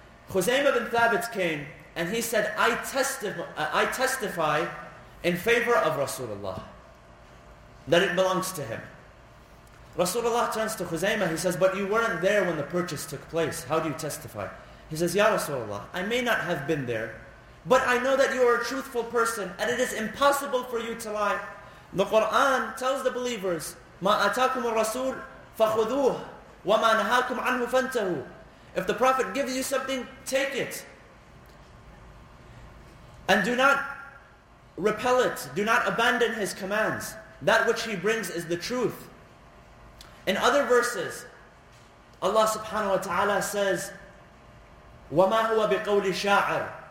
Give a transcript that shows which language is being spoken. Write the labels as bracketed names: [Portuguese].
[English] Khuzaymah bin Thabit came and he said, I testify in favor of Rasulullah, that it belongs to him. Rasulullah turns to Khuzaymah, he says, but you weren't there when the purchase took place. How do you testify? He says, Ya Rasulullah, I may not have been there, but I know that you are a truthful person, and it is impossible for you to lie. [Arabic] The Quran tells the believers, مَا أَتَاكُمُ الرَّسُولُ فَخُذُوهُ وَمَا نَهَاكُمْ عَنْهُ فَانْتَهُ. [English] If the Prophet gives you something, take it. And do not repel it. Do not abandon his commands. That which he brings is the truth. In other verses, Allah subhanahu wa ta'ala says, [Arabic] وَمَا هُوَ بِقَوْلِ شَاعِرٍ.